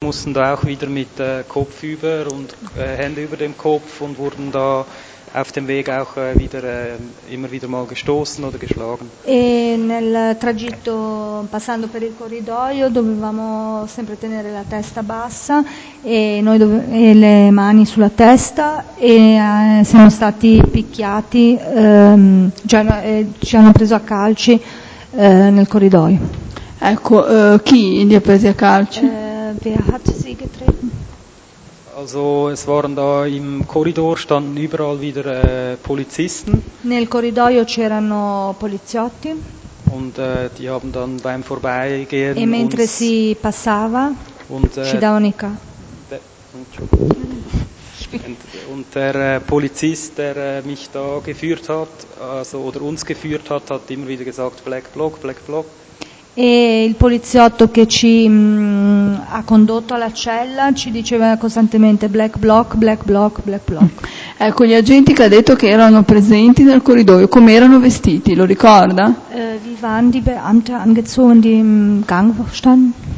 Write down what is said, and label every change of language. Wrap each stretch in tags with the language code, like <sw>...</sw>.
<de>mussten da auch wieder mit Kopf über und Hände über dem Kopf und wurden da auf dem Weg auch wieder immer wieder mal gestoßen oder geschlagen.</de> <it>E nel tragitto passando per il corridoio dovevamo sempre tenere la testa bassa e noi e le mani sulla testa e siamo stati picchiati, ci hanno preso a calci nel corridoio. Ecco, chi li ha presi a calci?</it> <de>Wer hat sie getreten? Also es waren da im Korridor standen überall wieder Polizisten.</de> <it>Nel corridoio c'erano poliziotti.</it> <de>Und die haben dann beim Vorbeigehen</de> <it>e mentre</it> <de>uns</de> <it>si passava und, ci davano i ca.</it> <de>Und der Polizist, der mich da geführt hat, also oder uns geführt hat, hat immer wieder gesagt Black Block, Black Block.</de> <it>E il poliziotto che ci ha condotto alla cella ci diceva costantemente Black Block, Black Block, Black Block. Ecco, gli agenti che ha detto che erano presenti nel corridoio, come erano vestiti, lo ricorda?</it> <de>Wie waren die Beamte angezogen, die im Gang standen?</de>